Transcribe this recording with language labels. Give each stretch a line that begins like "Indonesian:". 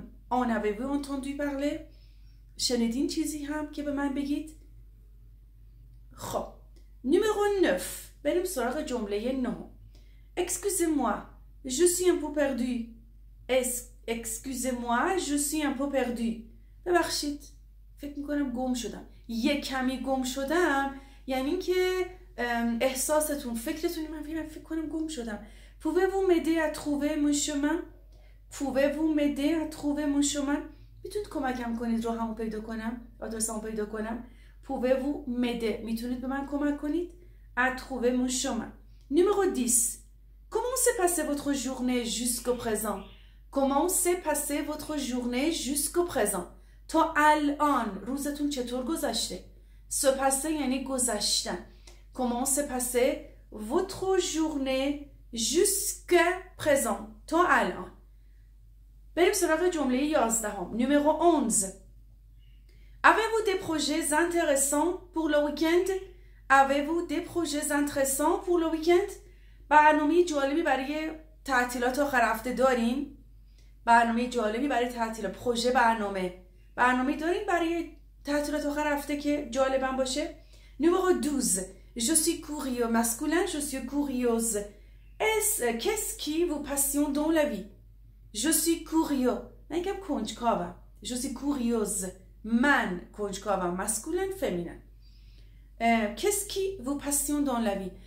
French: En avez-vous entendu parler؟
Persian: شنیدین چیزی هم که به من بگید؟ خب.
French: Numéro 9.
Persian: بریم سراغ جمله 9.
French: Excusez-moi, je suis un peu perdu. Excusez-moi, je suis un peu perdu.
Persian: ببخشید. فکر میکنم گم شدم. یه کمی گم شدم یعنی که احساستون، فکرتون، من فکر کنم گم شدم.
French: Pouvez-vous m'aider à trouver mon chemin? Pouvez-vous m'aider à trouver mon chemin?
Persian: میتونید کمکم کنید راهمو پیدا کنم، آدرسمو پیدا کنم.
French: Pouvez-vous m'aider؟
Persian: میتونید به من کمک کنید؟
French: À trouver mon chemin. Numéro 10. Comment s'est passée votre journée jusqu'au présent? Comment s'est passée votre journée jusqu'au présent?
Persian: تا الان روزتون چطور گذشته؟ Se passer یعنی گذشتن.
French: Comment s'est passée votre journée jusqu'à présent? Toi, Alain. Bien, c'est la réjoumée, Yazdaham. Numéro 11. Avez-vous des projets intéressants pour le week-end? Avez-vous des projets intéressants pour le week-end?
Persian: برنامه جالبی برای تعطیلات آخر هفته دارین؟ برنامه جالبی برای تعطیلات، پروژه، برنامه. برنامه دارین برای تعطیلات آخر هفته که جالبم باشه؟
French: Numéro 12. Je suis curieux masculin, je suis curieuse. Qu'est-ce qui vous passionne dans la vie? Je suis curieux.
Persian: Nikam konjkava.
French: Je suis curieuse.
Persian: Man konjkava.
French: Masculin, féminin. Qu'est-ce qui vous passionne dans la vie?